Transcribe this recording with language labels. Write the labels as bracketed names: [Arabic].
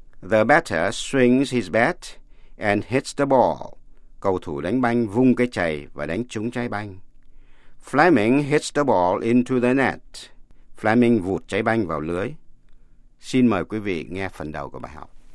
[English] The batter swings his bat and hits the ball. [Vietnamese] Cầu thủ đánh banh vung cái chày và đánh trúng trái banh. [English] Fleming hits the ball into the net. [Vietnamese] Fleming vụt trái banh vào lưới. Xin mời quý vị nghe phần đầu của bài học.